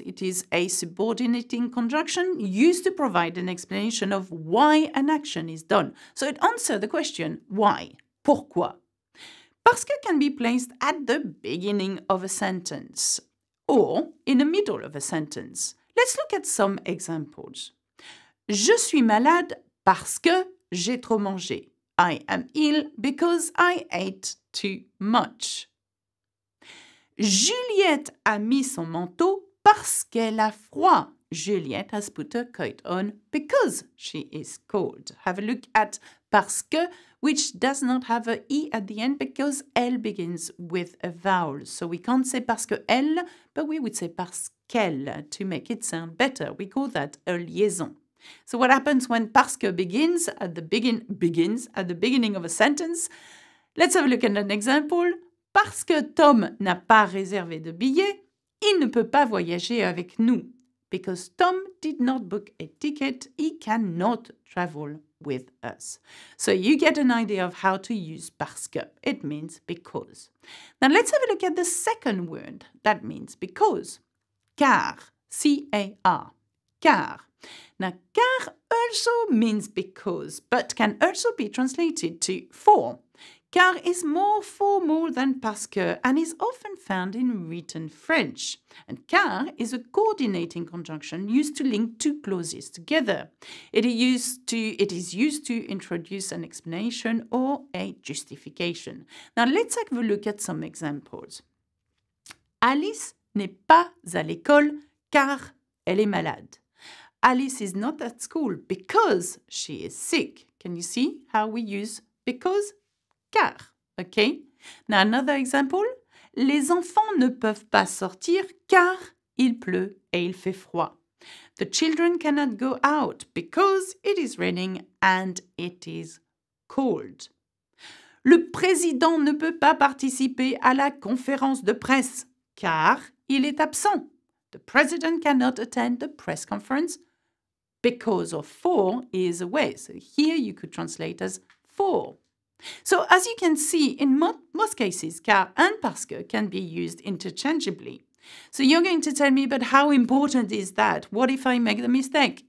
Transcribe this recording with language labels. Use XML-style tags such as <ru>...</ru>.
<en>It is a subordinating conjunction used to provide an explanation of why an action is done. So it answers the question why, pourquoi. Parce que can be placed at the beginning of a sentence or in the middle of a sentence. Let's look at some examples.</en> <fr>Je suis malade parce que j'ai trop mangé.</fr> <en>I am ill because I ate too much.</en> <fr>Juliette a mis son manteau parce qu'elle a froid.</fr> <en>Juliette has put her coat on because she is cold. Have a look at parce que, which does not have an E at the end because elle begins with a vowel. So we can't say parce qu'elle, but we would say parce qu'elle to make it sound better. We call that a liaison. So what happens when parce que begins at the beginning of a sentence? Let's have a look at an example.</en> <fr>Parce que Tom n'a pas réservé de billet, il ne peut pas voyager avec nous.</fr> <en>Because Tom did not book a ticket, he cannot travel with us. So you get an idea of how to use parce que. It means because. Now let's have a look at the second word that means because. Car, C-A-R, car. Now car also means because, but can also be translated to for. Car is more formal than parce que and is often found in written French. And car is a coordinating conjunction used to link two clauses together. It is used to introduce an explanation or a justification. Now let's have a look at some examples.</en> <fr>Alice n'est pas à l'école car elle est malade.</fr> <en>Alice is not at school because she is sick. Can you see how we use because? Car, okay? Now another example.</en> <fr>Les enfants ne peuvent pas sortir car il pleut et il fait froid.</fr> <en>The children cannot go out because it is raining and it is cold.</en> <fr>Le président ne peut pas participer à la conférence de presse car il est absent.</fr> <en>The president cannot attend the press conference because of for he is away. So here you could translate as for. So, as you can see, in most cases, car and parce que can be used interchangeably. So, you're going to tell me, but how important is that? What if I make the mistake?</en>